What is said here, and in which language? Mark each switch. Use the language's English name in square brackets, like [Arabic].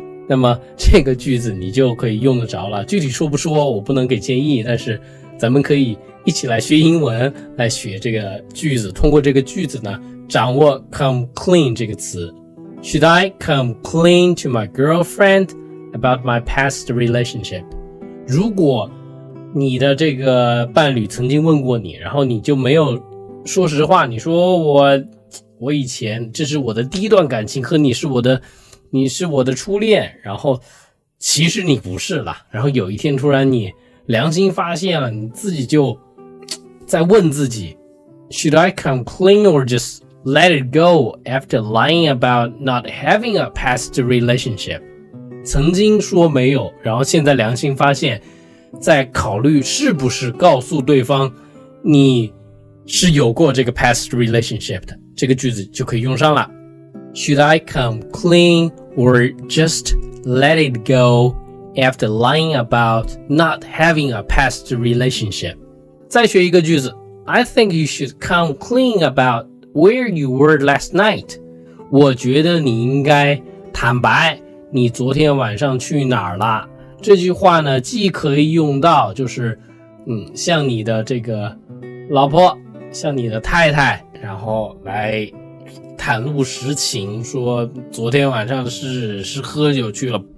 [Chinese] 那么这个句子你就可以用得着了。具体说不说，我不能给建议，但是咱们可以一起来学英文，来学这个句子，通过这个句子呢掌握 come clean 这个词。 [English] Should I come clean to my girlfriend about my past relationship? [Chinese] 如果你的这个伴侣曾经问过你，然后你就没有说实话，你说我以前这是我的第一段感情，和你是我的初恋，然后其实你不是啦，然后有一天突然你良心发现了，你自己就在问自己 [English] Should I come clean or just let it go after lying about not having a past relationship? [Chinese] 曾经说没有，然后现在良心发现，在考虑是不是告诉对方你是有过这个 past relationship 的，这个句子就可以用上了。 [English] Should I come clean or just let it go after lying about not having a past relationship. [Chinese] 再学一个句子 [English] I think you should come clean about where you were last night. [Chinese] 我觉得你应该坦白你昨天晚上去哪儿了。这句话呢既可以用到就是向你的这个老婆向你的太太然后来袒露实情说昨天晚上是喝酒去了。